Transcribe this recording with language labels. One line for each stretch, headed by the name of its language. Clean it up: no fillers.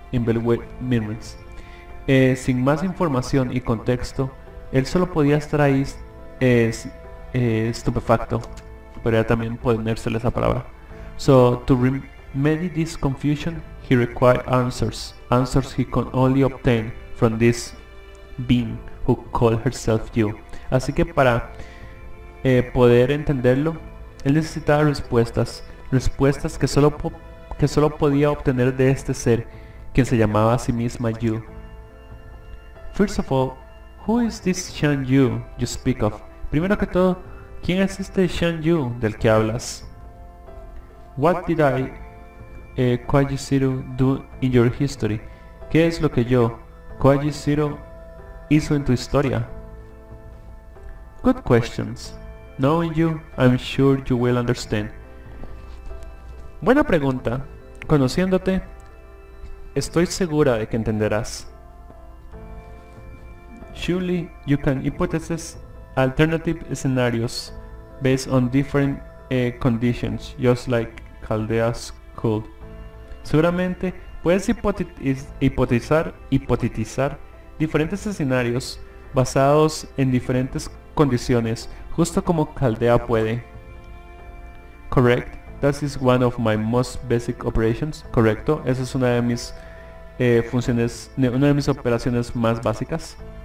Spanish: Sin más información y contexto, él solo podía estar ahí estupefacto. Podría también ponérsele esa palabra.
English: So, to remedy this confusion, he required answers. Answers he could only obtain from this being who called herself you.
Spanish: Así que para poder entenderlo, él necesitaba respuestas. Respuestas que solo podía obtener de este ser, quien se llamaba a sí misma you.
English: First of all, who is this Shan Yu you speak of?
Spanish: Primero que todo, ¿quién es este Shan Yu del que hablas?
English: What did I Kwaji Zero do in your history?
Spanish: ¿Qué es lo que yo, Kwaji Zero, hizo en tu historia?
English: Good questions. Knowing you, I'm sure you will understand.
Spanish: Buena pregunta. Conociéndote, estoy segura de que entenderás.
English: Surely you can hypothesize alternative scenarios based on different conditions, just like Chaldeas could.
Spanish: Seguramente puedes hipotetizar diferentes escenarios basados en diferentes condiciones, justo como Chaldea puede.
English: Correct. That is one of my most basic operations.
Spanish: Correcto. Esa es una de mis funciones, una de mis operaciones más básicas.